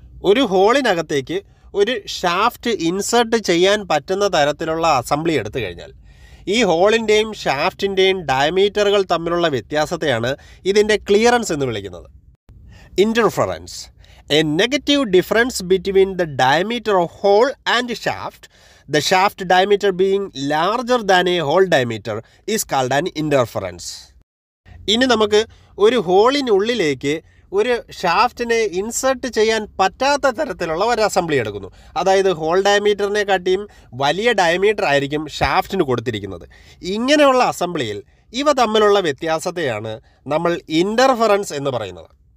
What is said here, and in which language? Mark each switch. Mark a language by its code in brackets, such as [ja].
[ml] ഒരു ഹോളിനകത്തേക്ക് ഒരു shaft insert ചെയ്യാൻ പറ്റുന്ന തരത്തിലുള്ള അസംബ്ലി എടുത്തു കഴിഞ്ഞാൽ ഈ ഹോളിൻ്റെയും ഷാഫ്റ്റിൻ്റെയും ഡയമീറ്ററുകൾ തമ്മിലുള്ള വ്യത്യാസത്തെയാണ് ഇതിൻ്റെ ക്ലിയറൻസ് എന്ന് വിളിക്കുന്നത്. [en] Interference. A negative difference between the diameter of hole and shaft The shaft diameter being larger than a hole diameter is called an interference. [ml] ഇനി നമുക്ക് ഒരു ഹോളിനുള്ളിലേക്ക് ഒരു ഷാഫ്റ്റിനെ ഇൻസെർട്ട് ചെയ്യാൻ പറ്റാത്ത തരത്തിലുള്ള ഒരു അസംബ്ലി എടുക്കുന്നു. അതായത് ഹോൾ ഡയമീറ്ററിനെക്കാട്ടിയും വലിയ ഡയമീറ്റർ ആയിരിക്കും ഷാഫ്റ്റിന് കൊടുത്തിരിക്കുന്നത്. ഇങ്ങനെയുള്ള അസംബ്ലിയിൽ ഇവ തമ്മിലുള്ള വ്യത്യാസത്തെയാണ് നമ്മൾ ഇന്റർഫറൻസ് എന്ന് പറയുന്നത്.